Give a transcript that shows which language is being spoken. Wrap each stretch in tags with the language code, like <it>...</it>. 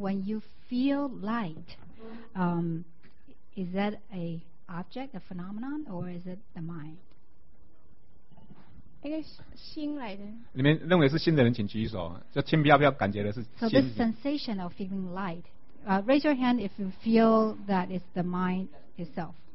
<en>When you feel light, is that a object, a phenomenon, or is it the mind?</en> <zh>一个心来的。你们认为是心的人请举手，就轻飘飘感觉的是心。</zh> <en>So this sensation of feeling light, raise your hand if you feel that it's the mind itself.</en>